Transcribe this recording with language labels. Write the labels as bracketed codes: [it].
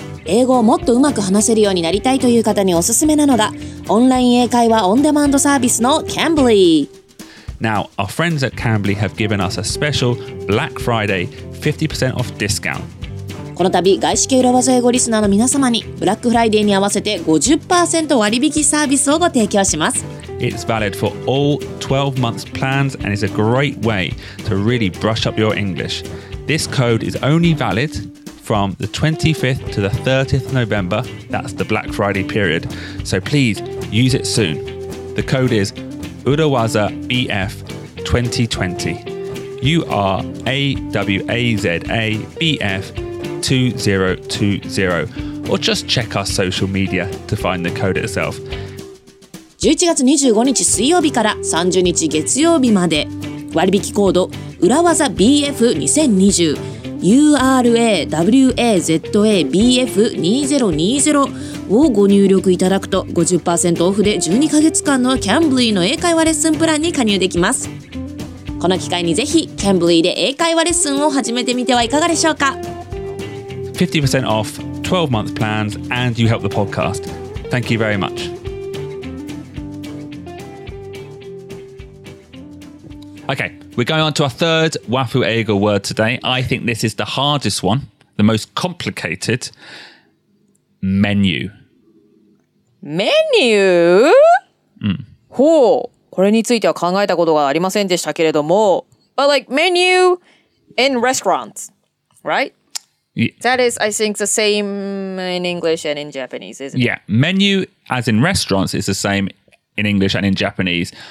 [ja] 英語をもっとうまく話せるようになりたいという方におすすめなのが、オンライン英会話オンデマンドサービスの Cambly。 [en] Now, our friends at Cambly have given us a special Black Friday 50% off discount. [ja] この度、外資系裏技英語リスナーの皆様に、ブラックフライデーに合わせて 50% 割引サービスをご提供します。 [en] It's valid for all 12 months plans and is a great way to really brush up your English. This code is only valid from the 25th to the 30th November. That's the Black Friday period. So please use it soon. The code is Urawaza BF 2020. Urawaza BF 2020. Or just check our social media to find the code itself. [ja] 11月25日水曜日から30日月曜日まで、割引コード裏技 BF2020 URAWAZABF2020 をご入力いただくと 50% オフで12ヶ月間のキャンブリーの英会話レッスンプランに加入できます。この機会にぜひキャンブリーで英会話レッスンを始めてみてはいかがでしょうか。 [en] 50% off 12 month plans and you help the podcast. Thank you very much. Okay, we're going on to our third Wafu Eigo word today. I think this is the hardest one, the most complicated. Menu. Menu? [ja] ほう、これについては考えたことがありませんでしたけれども。 [en] But like menu in restaurants, right? Yeah. That is, I think, the same in English and in Japanese, isn't it? Yeah, menu as in restaurants is the same in English and in Japanese.